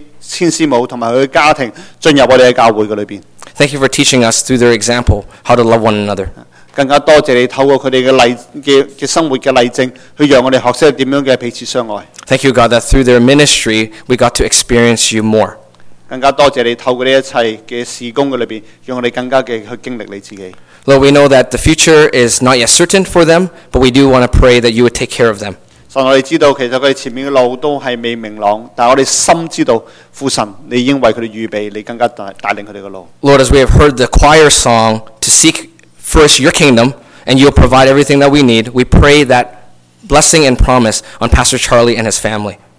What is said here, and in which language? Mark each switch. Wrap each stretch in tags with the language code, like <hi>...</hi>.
<zh>我們多謝你帶領千牧師、千絲母和他的家庭進入我們的教會裡面。</zh> <en>Thank you for teaching us through their example how to love one another.</en> <zh>更加多謝你透過他們的生活的例證去讓我們學習怎樣彼此相愛。</zh> <en>Thank you, God, that through their ministry, we got to experience you more.</en> <zh>更加多謝你透過這一切的事工裡面,讓我們更加去經歷你自己。</zh> <en>Lord, we know that the future is not yet certain for them, but we do want to pray that you would take care of them.</en> <zh>神,我們知道其實他們前面的路都是未明朗,但我們深知道,父神,你已經為他們預備,你更加帶領他們的路。</zh> <en>Lord, as we have heard the choir song, to seek first your kingdom, and you'll provide everything that we need, we pray that blessing and promise on Pastor Charlie and his family.</en>